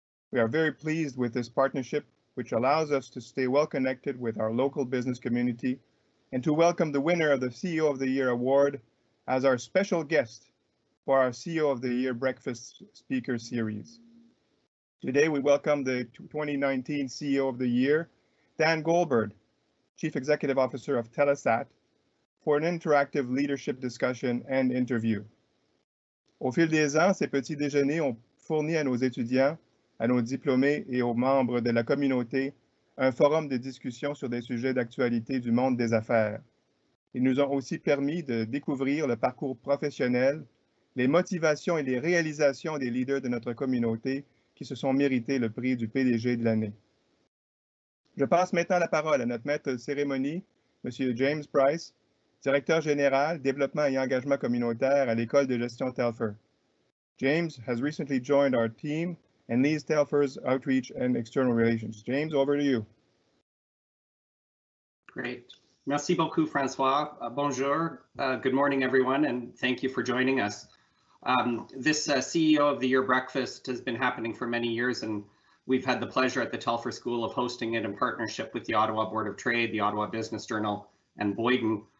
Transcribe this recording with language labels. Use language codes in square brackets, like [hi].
[en] We are very pleased with this partnership, which allows us to stay well connected with our local business community and to welcome the winner of the CEO of the Year Award as our special guest for our CEO of the Year Breakfast Speaker Series. Today, we welcome the 2019 CEO of the Year, Dan Goldberg, Chief Executive Officer of Telesat, for an interactive leadership discussion and interview. [fr] Au fil des ans, ces petits déjeuners ont fourni à nos étudiants, à nos diplômés et aux membres de la communauté un forum de discussion sur des sujets d'actualité du monde des affaires. Ils nous ont aussi permis de découvrir le parcours professionnel, les motivations et les réalisations des leaders de notre communauté qui se sont mérités le prix du PDG de l'année. Je passe maintenant la parole à notre maître de cérémonie, M. James Price, directeur général, développement et engagement communautaire à l'École de gestion Telfer. [en] James has recently joined our team and leads Telfer's outreach and external relations. James, over to you. Great. [fr] Merci beaucoup, François. Bonjour. [en] Good morning, everyone, and thank you for joining us. This CEO of the Year breakfast has been happening for many years, and we've had the pleasure at the Telfer School of hosting it in partnership with the Ottawa Board of Trade, the Ottawa Business Journal, and Boyden.